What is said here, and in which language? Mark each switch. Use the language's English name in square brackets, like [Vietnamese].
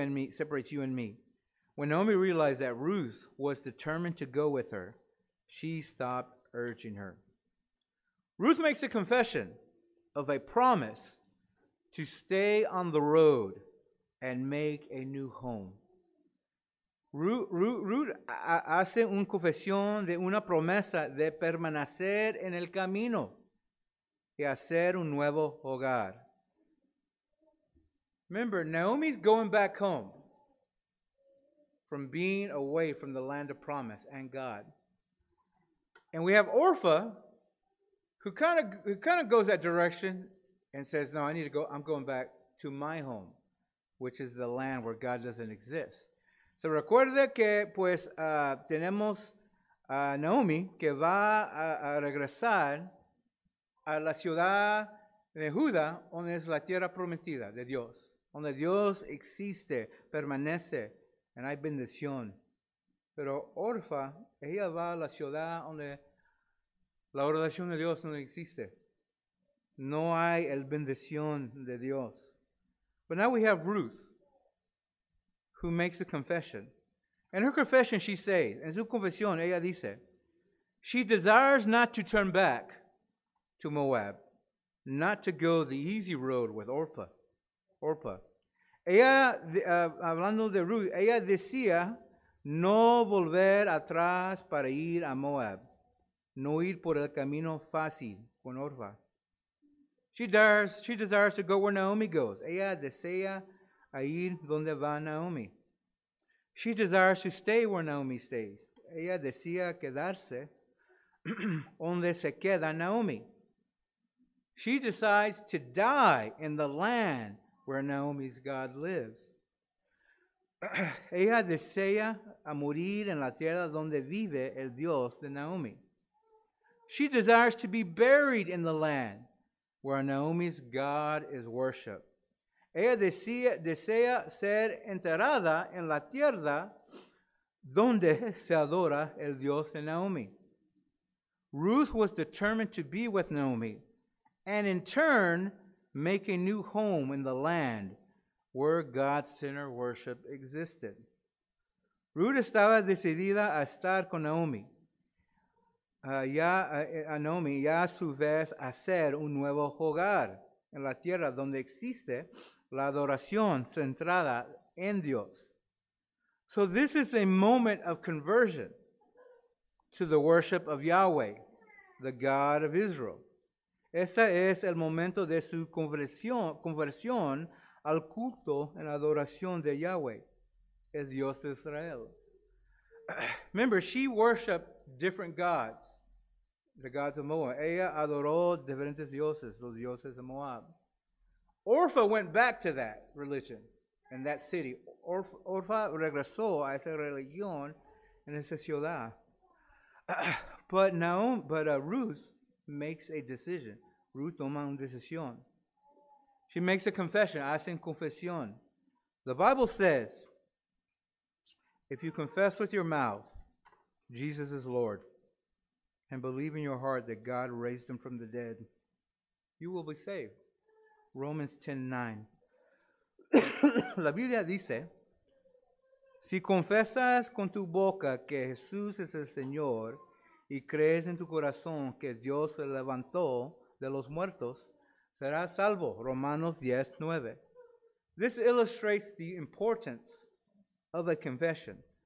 [English] separates you and me. When Naomi realized that Ruth was determined to go with her, she stopped urging her. Ruth makes a confession of a promise to stay on the road and make a new home. [Spanish] Ruth hace una confesión de una promesa de permanecer en el camino y hacer un nuevo hogar. [English] Remember, Naomi's going back home from being away from the land of promise and God. And we have Orpah, who kind of goes that direction and says, no, I need to go. I'm going back to my home, which is the land where God doesn't exist. [Spanish] So recuerda que, pues, tenemos a Naomi que va a regresar a la ciudad de Judá, donde es la tierra prometida de Dios, donde Dios existe, permanece, y hay bendición. Pero Orfa, ella va a la ciudad donde la oración de Dios no existe. No hay el bendición de Dios. [English] But now we have Ruth, who makes a confession. In her confession, she says, [Spanish] en su confesión, ella dice, [English] She desires not to turn back to Moab, not to go the easy road with Orpah. [Spanish] Hablando de Ruth, ella decía no volver atrás para ir a Moab, no ir por el camino fácil con Orpah. [English] She desires to go where Naomi goes. Ella desea a ir donde va Naomi. She desires to stay where Naomi stays. Ella decía quedarse donde se queda Naomi. She decides to die in the land where Naomi's God lives. [Spanish] Ella desea a morir en la tierra donde vive el Dios de Naomi. [English] She desires to be buried in the land where Naomi's God is worshipped. [Spanish] Ella desea ser enterrada en la tierra donde se adora el Dios de Naomi. [English] Ruth was determined to be with Naomi and in turn make a new home in the land where God's sinner worship existed. [Spanish] Ruth estaba decidida a estar con Naomi. Ya a su vez hacer un nuevo hogar en la tierra donde existe la adoración centrada en Dios. [English] So this is a moment of conversion to the worship of Yahweh, the God of Israel. [Spanish] Ese es el momento de su conversión al culto en adoración de Yahweh, el Dios de Israel. [English] Remember, she worshiped different gods. The gods of Moab. [Spanish] Ella adoró diferentes dioses, los dioses de Moab. [English] Orpah went back to that religion in that city. [Spanish] Orpah regresó a esa religión en esa ciudad. [English] Ruth makes a decision. [Spanish] Ruth toma una decisión. She makes a confession. Hace una confesión. [English] The Bible says, if you confess with your mouth, Jesus is Lord, and believe in your heart that God raised him from the dead, you will be saved. Romans 10:9. [Spanish] La Biblia dice, si confesas con tu boca que Jesús es el Señor y crees en tu corazón que Dios se levantó de los muertos, serás salvo. [English] Romanos 10:9. This illustrates the importance of a confession.